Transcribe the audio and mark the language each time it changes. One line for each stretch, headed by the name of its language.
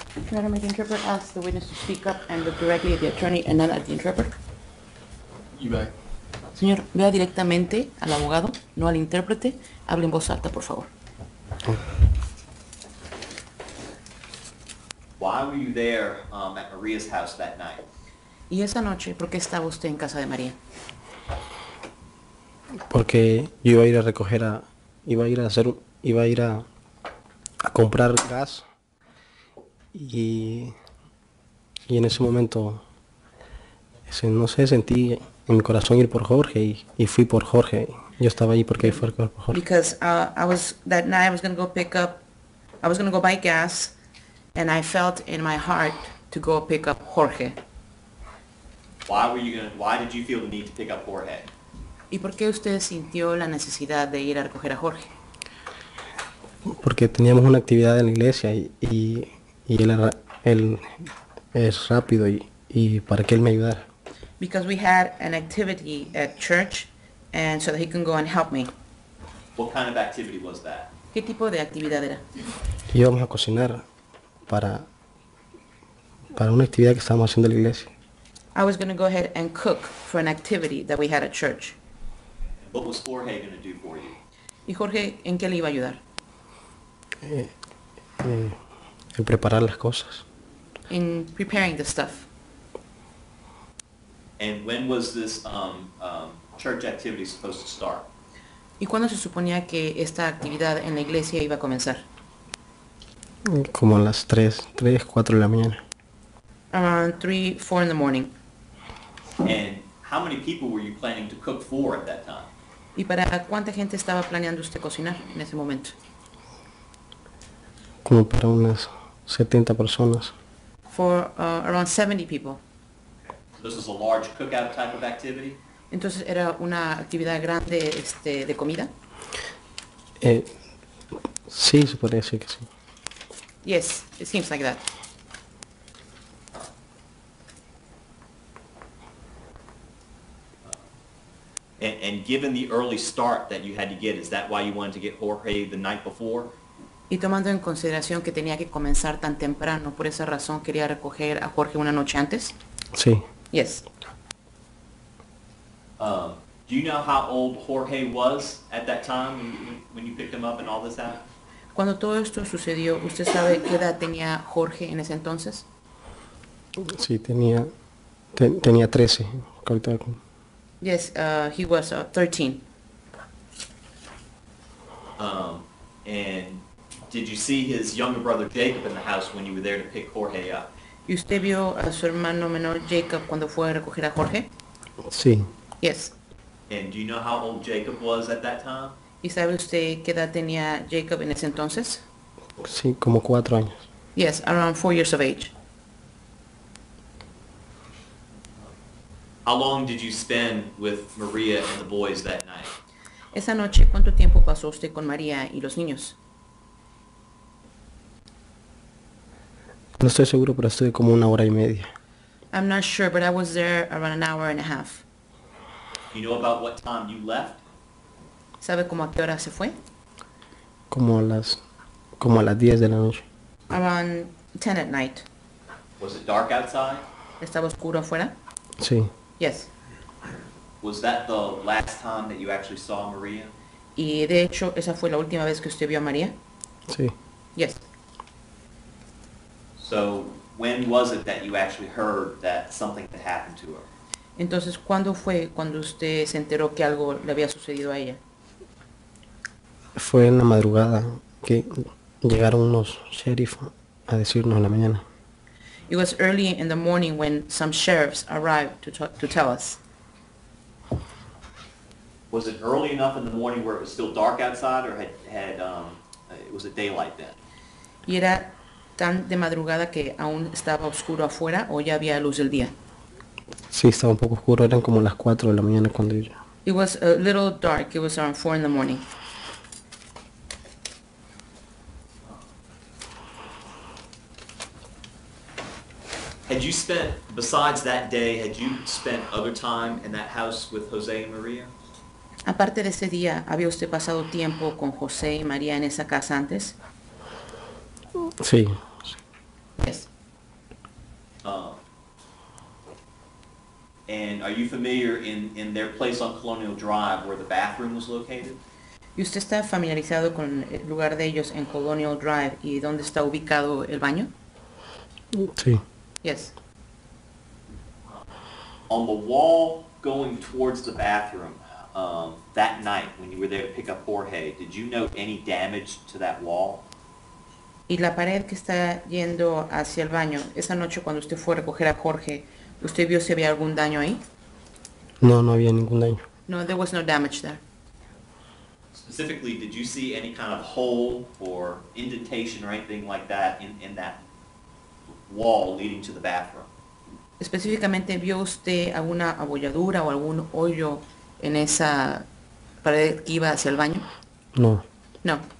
English: Your Honor, may the interpreter ask the witness to speak up and look directly at the attorney and not at the interpreter? You may.
Spanish: Señor, vea directamente al abogado, no al intérprete. Hable en voz alta, por favor.
English: Why were you there at Maria's house that night?
Spanish: ¿Y esa noche por qué estaba usted en casa de María? Porque yo iba a ir a recoger a... iba a ir a comprar gas. Y en ese momento, no sé, sentí en mi corazón ir por Jorge y fui por Jorge. Yo estaba allí porque fui por Jorge.
English: Because that night I was going to go pick up, I was going to go buy gas, and I felt in my heart to go pick up Jorge. Why did you feel the need to pick up Jorge?
Spanish: ¿Y por qué usted sintió la necesidad de ir a recoger a Jorge? Porque teníamos una actividad en la iglesia y él es rápido y para que él me ayudara.
English: Because we had an activity at church, and so that he can go and help me. What kind of activity was that?
Spanish: ¿Qué tipo de actividad era? Íbamos a cocinar para una actividad que estábamos haciendo en la iglesia.
English: I was going to go ahead and cook for an activity that we had at church. What was Jorge going to do for you?
Spanish: ¿Y Jorge en qué le iba a ayudar? En preparar las cosas.
English: In preparing the stuff. And when was this church activity supposed to start?
Spanish: ¿Y cuándo se suponía que esta actividad en la iglesia iba a comenzar? Como a las 3, 4 de la mañana.
English: Around 3, 4 in the morning. And how many people were you planning to cook for at that time?
Spanish: ¿Y para cuánta gente estaba planeando usted cocinar en ese momento? Como para unas 70 personas.
English: For around 70 people. This is a large cookout type of activity.
Spanish: Entonces era una actividad grande de comida. Sí, se podría decir que sí.
English: Yes, it seems like that. And given the early start that you had to get, is that why you wanted to get Jorge the night before?
Spanish: Y tomando en consideración que tenía que comenzar tan temprano, por esa razón quería recoger a Jorge una noche antes. Sí.
English: Yes. Do you know how old Jorge was at that time when you picked him up and all this happened?
Spanish: Cuando todo esto sucedió, ¿usted sabe qué edad tenía Jorge en ese entonces? Sí, tenía 13.
English: Yes, he was 13. And did you see his younger brother Jacob in the house when you were there to pick Jorge up?
Spanish: ¿Y usted vio a su hermano menor Jacob cuando fue a recoger a Jorge? Sí.
English: Yes. And do you know how old Jacob was at that time?
Spanish: ¿Y sabe usted qué edad tenía Jacob en ese entonces? Sí, como 4 años.
English: Yes, around 4 years of age. How long did you spend with Maria and the boys that night?
Spanish: Esa noche, ¿cuánto tiempo pasó usted con María y los niños? No estoy seguro, pero estuve como una hora y media.
English: I'm not sure, but I was there around an hour and a half. You know about what time you left?
Spanish: ¿Sabe cómo a qué hora se fue? Como a las 10 de la noche.
English: Around 10 at night. Was it dark outside?
Spanish: ¿Estaba oscuro afuera? Sí.
English: Yes. Was that the last time that you actually saw Maria?
Spanish: ¿Y de hecho esa fue la última vez que usted vio a María? Sí.
English: Yes. So when was it that you actually heard that something had happened to her?
Spanish: Entonces, ¿cuándo fue cuando usted se enteró que algo le había sucedido a ella? Fue en la madrugada que llegaron unos sheriffs a decirnos en la mañana.
English: It was early in the morning when some sheriffs arrived to tell us. Was it early enough in the morning where it was still dark outside, or had was it daylight then?
Spanish: ¿Y era tan de madrugada que aún estaba oscuro afuera o ya había luz del día? Sí, estaba un poco oscuro, eran como las 4 de la mañana cuando yo.
English: It was a little dark, it was around 4 in the morning. Had you spent, besides that day, had you spent other time in that house with Jose and Maria?
Spanish: Aparte de ese día, ¿había usted pasado tiempo con José y María en esa casa antes? Sí.
English: Yes. And are you familiar in their place on Colonial Drive where the bathroom was located?
Spanish: ¿Y usted está familiarizado con el lugar de ellos en Colonial Drive y dónde está ubicado el baño? Sí.
English: Yes. On the wall going towards the bathroom, that night when you were there to pick up Jorge, did you note any damage to that wall?
Spanish: Y la pared que está yendo hacia el baño, esa noche cuando usted fue a recoger a Jorge, ¿usted vio si había algún daño ahí? No, no había ningún daño.
English: No, there was no damage there. Specifically, did you see any kind of hole or indentation or anything like that in that wall leading to the bathroom?
Spanish: Específicamente, ¿vio usted alguna abolladura o algún hoyo en esa pared que iba hacia el baño? No.
English: No.